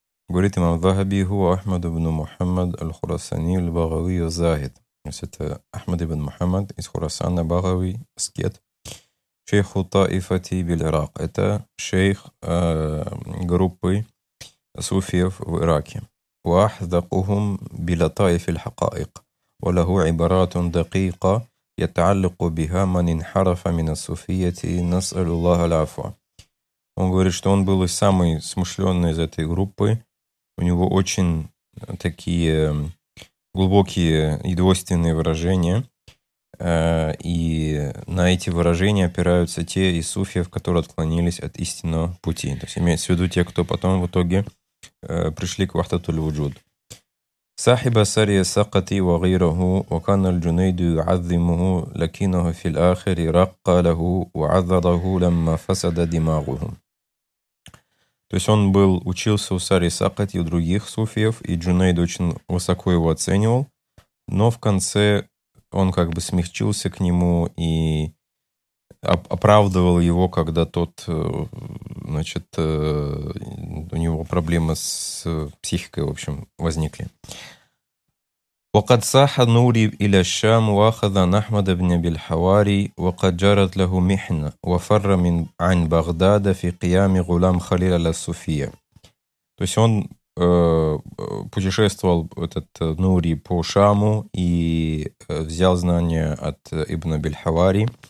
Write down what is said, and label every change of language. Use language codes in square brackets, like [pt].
[ru] Говорит имам Захаби, хуа Ахмад ибн Мухаммад аль-Хурасани аль-Багави аз-Захид. То есть это Ахмад ибн Мухаммад из Хурасана, Багави, Аскет. [ar] Шейх Таифати биль-Ирак. [ru] Это шейх группы суфиев в Ираке. [ar] Уахдакухум биля-Таифи аль-Хакаик. وله عبارات دقيقة يتعلق بها من انحرف من الصوفية نسأل الله العفو. [ru] Он говорит, что он был самый смышленный из этой группы. У него очень такие глубокие и двойственные выражения. И на эти выражения опираются те из суфиев, которые отклонились от истинного пути. То есть имеется в виду те, кто потом в итоге пришли к вахдату аль-вуджуд. [ar] صاحب سري سقطي وغيره وكان الجنيد يعظمه لكنه في الآخر رق له وعذره لما فسد دماغهم. [ru] То есть он был учился у Сари Сакати и других суфиев, и Джунейд очень высоко его оценивал, но в конце он как бы смягчился к нему и оправдывал его, когда тот, значит, у него проблемы с психикой, в общем, возникли. [ar] وقد ساح نوري إلى الشام وأخذ أحمد بن بالحواري وقد جرت له محنة وفر من عن بغداد في قيام غلام خليل الصوفية. [ru] То есть он путешествовал этот Нури по Шаму и взял знания от Ибн Бильхавари,